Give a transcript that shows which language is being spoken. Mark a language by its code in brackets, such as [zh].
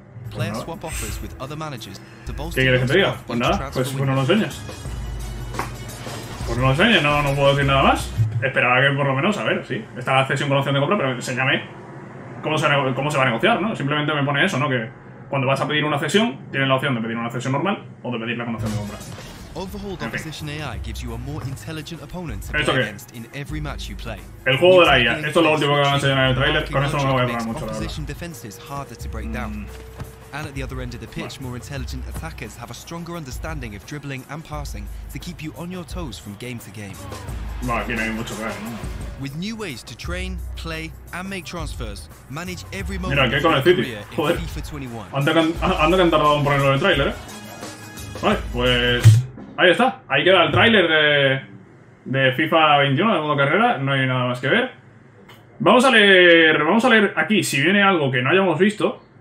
[es] Pues ¿qué quieres que te diga? Pues nada, pues no lo enseñas. Pues no lo enseñes, no puedo decir nada más. Esperaba que por lo menos, a ver, sí. Está la cesión con opción de compra, pero enséñame cómo se va a negociar, ¿no? Simplemente me pone eso, ¿no? Que cuando vas a pedir una cesión, tienes la opción de pedir una cesión normal o de pedirla con opción de compra. [en] Overhauled opposition AI gives you a more intelligent opponent to play against in every match you play. [es] El juego de la IA, esto es lo último que van a enseñar en el trailer, con eso no me voy a poner mucho la verdad. [en] Defenses harder to break down. And at the other end of the pitch, more intelligent attackers have a stronger understanding of dribbling and passing to keep you on your toes from game to game. With new ways to train, play and make transfers, manage every moment. [es] Mira, qué con el City. Joder. FIFA 21. Anda que han tardado en ponerlo en el trailer, ¿eh? Vale, pues ahí está, ahí queda el tráiler de FIFA 21, de modo carrera, no hay nada más que ver. Vamos a leer aquí si viene algo que no hayamos visto.